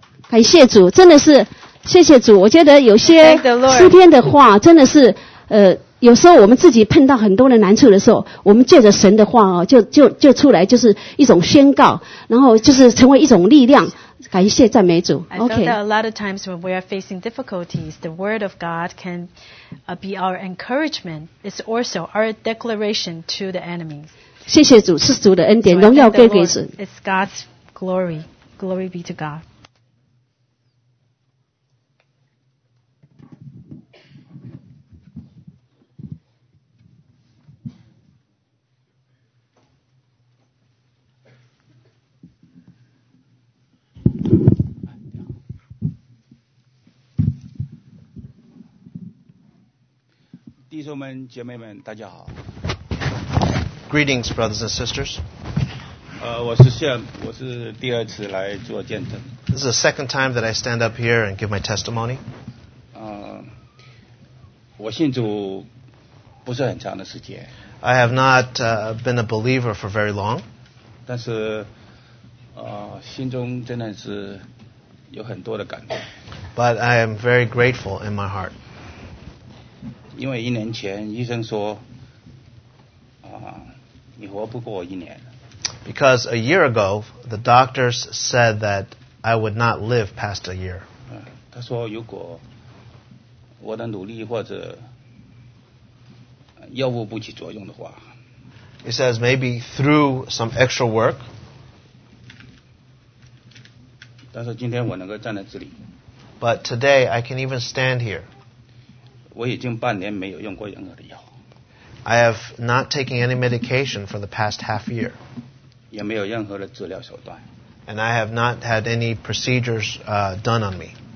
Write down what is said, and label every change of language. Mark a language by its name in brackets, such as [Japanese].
[Chinese] 感谢主，真的是谢谢主。我觉得有些诗篇的话真的是有时候我们自己碰到很多的难处的时候，我们借着神的话就出来，就是一种宣告，然后就是成为一种力量。感谢赞美主。 [English] I thought that a lot of times when we are facing difficulties, the word of God can be our encouragement. It's also our declaration to the enemies. [Chinese] 谢谢主，是主的恩典，荣耀归给主。 [English] It's God's glory. Glory be to God. [Chinese] 弟兄们姐妹们大家好。 [English] Greetings brothers and sisters. [Chinese] 我是Sam，我是第二次来做见证。 [English] This is the second time that I stand up here and give my testimony. [Chinese] 我信主不是很长的时间。 [English] I have not been a believer for very long. [Chinese] 但是心中真的是有很多的感动。 [English] But I am very grateful in my heart. [Chinese] 因为一年前医生说你活不过一年。 [English] Because a year ago the doctors said that I would not live past a year. [Chinese] 他说如果我的努力或者药物不起作用的话。 [English] He says maybe through some extra work. [Chinese] 但是今天我能够站在这里。 [English] But today I can even stand here. [Chinese] 我已经半年没有用过任何的药。 [English] I have not taken any medication for the past half year. [Chinese] 也没有任何的治疗手段。 [English] And I have not had any procedures done on me.